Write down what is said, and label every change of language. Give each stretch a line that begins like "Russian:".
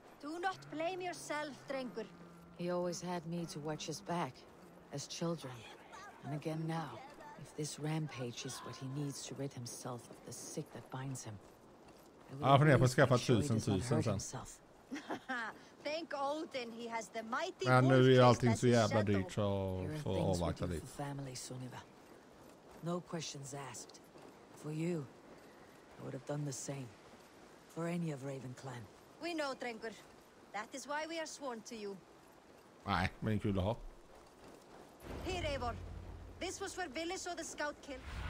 English: Do not blame yourself, Drengur. He always had me to watch his back, as children. And again now, if this rampage is what he needs to rid himself of the sick that binds him. I will make sure he does not hurt himself. Thank Odin, he has the mighty wolf.
Swedish: Men nu är allting så jävla dyrt för att avvakta lite.
English: Family, no questions asked. For you, I would have done the same. For any of Raven Clan. We know, Drengur. That is why we are sworn to you.
Swedish: Nej, men det är kul att ha.
English: Here, Eivor. This was where Billy saw the scout killed.